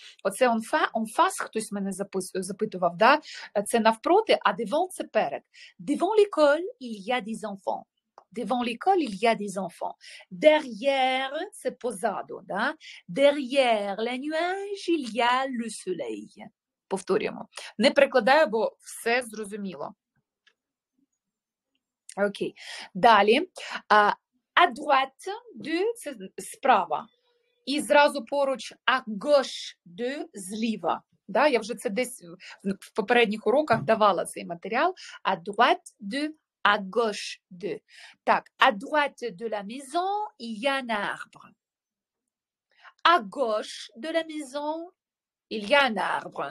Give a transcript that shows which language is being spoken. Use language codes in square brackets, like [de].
[uk] Оце on face, хтось мене запитував, да? Це навпроти, а диван – це перед. [fr] Devant l'école, il y a des enfants. Devant l'école, il y a des enfants. [uk] Derrière, це позаду, да? [fr] Derrière les nuages, il y a le soleil. [uk] Повторюємо. Не прикладаю, бо все зрозуміло. Окей. Далі. À droite de, це справа. І зразу поруч [fr] à gauche de, [uk] зліва. Да, я вже це десь в попередніх уроках давала цей матеріал. [fr] À droite de, à gauche de. Так, à droite de la maison, il y a un arbre. À gauche de la maison, il y a un arbre.